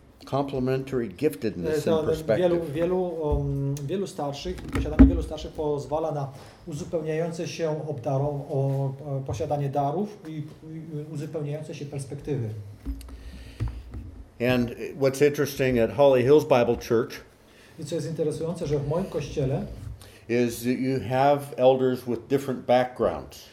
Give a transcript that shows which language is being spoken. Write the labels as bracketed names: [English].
[English] Complementary giftedness and perspective. [Polish] Wielu starszych, posiadanie wielu starszych pozwala na uzupełniające się posiadanie darów i uzupełniające się perspektywy. [English] And what's interesting at Holly Hills Bible Church, [Polish] i co jest interesujące, że w moim kościele, [English] is that you have elders with different backgrounds.